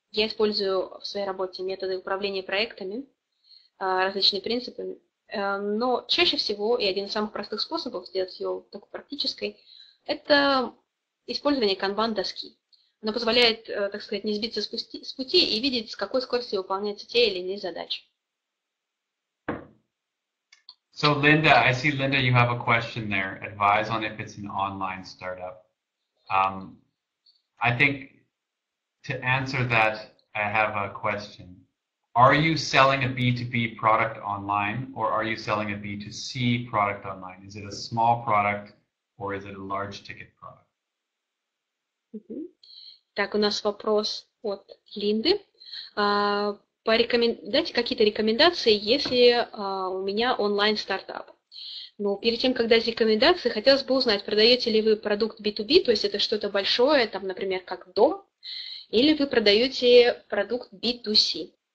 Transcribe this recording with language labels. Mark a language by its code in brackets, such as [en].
[ru] Я использую в своей работе методы управления проектами, различные принципы. Но чаще всего, и один из самых простых способов сделать ее такой практической, это использование канбан-доски. Она позволяет, так сказать, не сбиться с пути и видеть, с какой скоростью выполняются те или иные задачи. [en] So, Linda, I see, Linda, you have a question there. Advise on if it's an online startup. I think to answer that, I have a question. Are you selling a B2B product online, or are you selling a B2C product online? Is it a small product, or is it a large ticket product? [ru] Так, у нас вопрос от Линды. дайте какие-то рекомендации, если у меня онлайн стартап. Но перед тем, как дать рекомендации, хотелось бы узнать, продаете ли вы продукт B2B, то есть это что-то большое, там, например, как дом, или вы продаете продукт B2C?